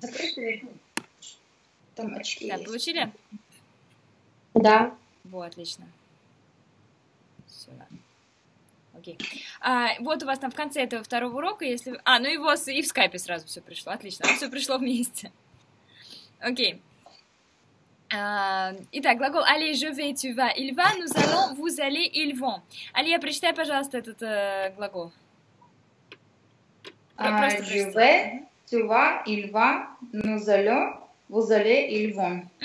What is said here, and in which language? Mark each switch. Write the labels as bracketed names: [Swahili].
[Russian] Закрыты. Там очки Да, есть. получили? Да. Во, отлично. Сюда. Окей. А, вот у вас там в конце этого второго урока, если... А, ну и вас, и в скайпе сразу все пришло. Отлично, все пришло вместе. Окей. Итак, глагол [French] «aller, je vais, tu vas, il va», «nous allons», «vous allez», «ils vont». [Russian] Алия, прочитай, пожалуйста, этот глагол. Просто [French] Je [Russian] прочти. [French] vais, tu vas, il va, nous allons, vous allez, ils vont.